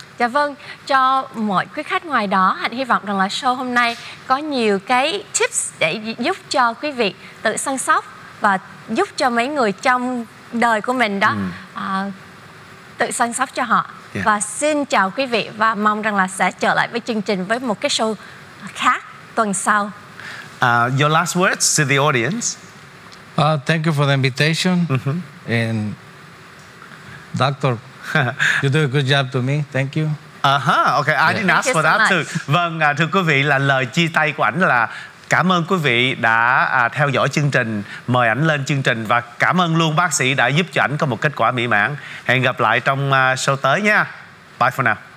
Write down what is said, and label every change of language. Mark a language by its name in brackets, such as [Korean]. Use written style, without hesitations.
[Vietnamese] Dạ vâng, cho mọi quý khách ngoài đó, Hạnh hy vọng rằng là show hôm nay có nhiều cái tips để giúp cho quý vị tự săn sóc và giúp cho mấy người trong đời của mình đó tự săn sóc cho họ. Yeah. Và xin chào quý vị và mong rằng là sẽ trở lại với chương trình với một cái show khác tuần sau. [English] Your last words to the audience. Thank you for the invitation. And doctor, you do a good job to me. Thank you. Okay. I didn't ask for that too. [Vietnamese] Vâng, thưa quý vị, là lời chia tay của ảnh là cảm ơn quý vị đã theo dõi chương trình, mời ảnh lên chương trình, và cảm ơn luôn bác sĩ đã giúp cho ảnh có một kết quả mỹ mãn. Hẹn gặp lại trong show tới nha. [English] Bye for now.